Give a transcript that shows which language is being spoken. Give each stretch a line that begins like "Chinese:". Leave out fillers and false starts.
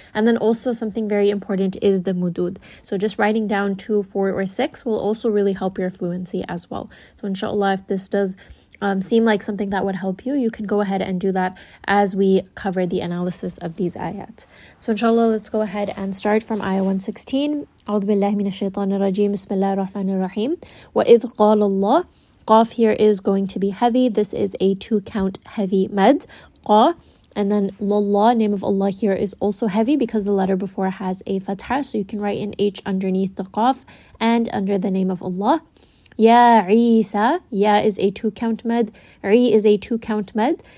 English: And then also something very important is the mudud. So just writing down 2, 4, or 6 will also really help your fluency as well. So inshallah, if this does seem like something that would help you, you can go ahead and do that as we cover the analysis of these ayat. So inshallah, let's go ahead and start from ayah 116.
Arabic: أعوذ بالله من الشيطان الرجيم بسم الله الرحمن الرحيم وإذ قال الله قاف
English: here is going to be heavy. This is a 2-count heavy med. قَا and then لَلَّهِ name of Allah here is also heavy because the letter before has a fatha. So you can write an H underneath the قَاف and under the name of Allah.
Arabic: يَا عِيسَى
English: يَا is a 2-count med. عِي is a 2-count med.